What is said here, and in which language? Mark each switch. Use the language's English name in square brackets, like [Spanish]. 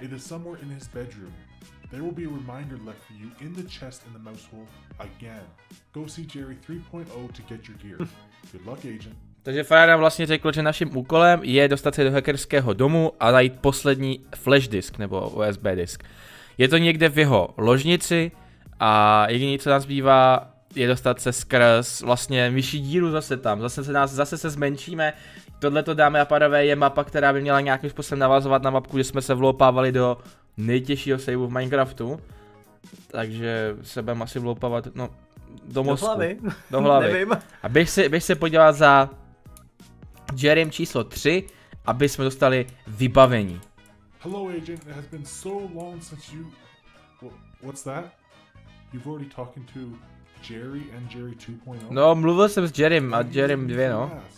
[English] It is somewhere in his bedroom. There will be a reminder left for you in the chest in the mouse hole again. Go see Jerry 3.0 to get your gear. Good luck, agent. [Czech] Takže Farada vlastně řekl, že naším úkolem je dostat se do hackerského domu a najít poslední flash disk nebo USB disk. Je to někde v jeho ložnici a jediné, co nám zbývá, je dostat se skrz vlastně vyšší díru zase tam, zase se zmenšíme. Tohle to, dámy a pánové, je mapa, která by měla nějakým způsobem navazovat na mapku, že jsme se vloupávali do nejtěžšího saveu v Minecraftu. Takže se budeme asi vloupávat, no, do mozku. Do hlavy. Nevím. A bych se podíval za Jerrym číslo 3, aby jsme dostali vybavení. [English] Hello agent, it has been so long since you... What's that? You've already talking to... Jerry and Jerry 2.0. [Czech] No, mluvil jsem s Jerrym a Jerrym 2, no.